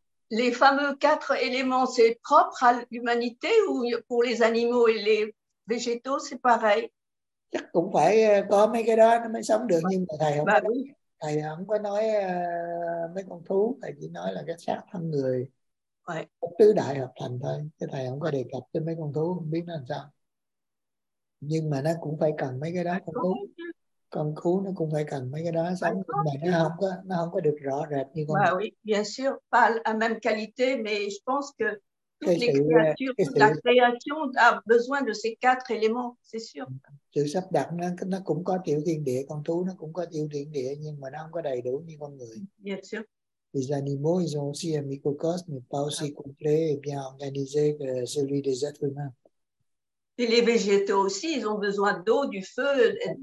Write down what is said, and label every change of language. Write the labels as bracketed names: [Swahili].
[French] Les fameux quatre éléments, c'est propre à l'humanité ou pour les animaux et les végétaux, c'est pareil? [Vietnamese] Chắc cũng phải có mấy cái đó nó mới sống được, nhưng mà thầy không, thầy không có nói mấy con thú, thầy chỉ nói là cái xác thân người tứ đại hợp thành thôi, chứ thầy không có đề cập tới mấy con thú, không biết nó làm sao. Nhưng mà nó cũng phải cần mấy cái đó, không thú. Con khú nó cũng phải cần mấy cái đó sống, mà nó không có được rõ rệt như con. [French] Bah oui, bien sûr, pas à même qualité, mais je pense que toutes les créatures, toute la création a besoin de ces quatre éléments, c'est sûr. [Vietnamese] Sự sắp đặt nó cũng có tiểu thiên địa, con thú nó cũng có tiểu thiên địa, nhưng mà nó không có đầy đủ như con người. [French] Bien sûr. Les animaux, ils ont aussi un microcosme, mais pas aussi complet et bien organisé que celui des êtres humains. Et les végétaux aussi, ils ont besoin d'eau, du feu.